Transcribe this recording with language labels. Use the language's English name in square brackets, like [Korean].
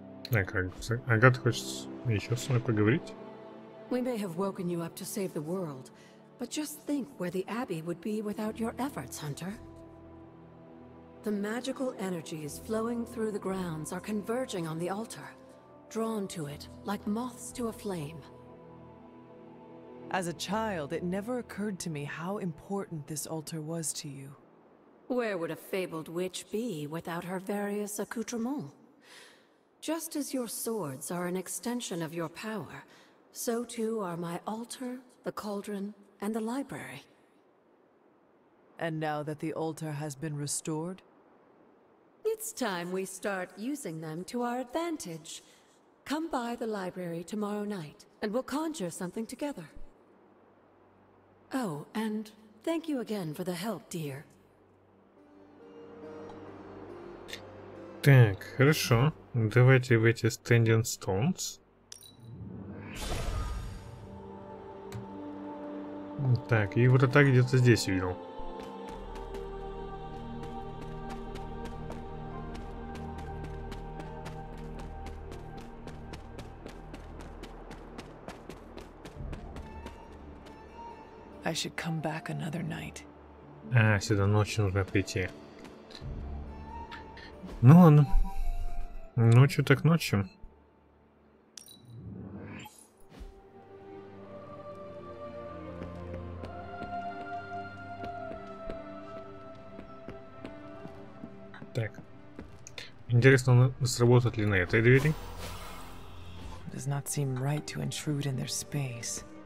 [Russian] Так, Агата хочет еще с вами поговорить. [English] We may have woken you up to save the world, but just think where the Abbey would be without your efforts, Hunter. The magical energies flowing through the grounds are converging on the altar, drawn to it like moths to a flame. As a child, it never occurred to me how important this altar was to you. Where would a fabled witch be without her various accoutrements? Just as your swords are an extension of your power, so too are my altar, the cauldron, and the library. And now that the altar has been restored? It's time we start using them to our advantage. Come by the library tomorrow night, and we'll conjure something together. Oh, and thank you again for the help, dear. [Russian] Так, хорошо. Давайте в эти Standing Stones. Так, и врата где-то здесь видел. [English] I should come back another night. [Russian] А, сюда ночью нужно прийти. Ну ладно. Ночью так ночью. Так. Интересно, сработает ли на этой двери? [English] Does not seem right to intrude in their space.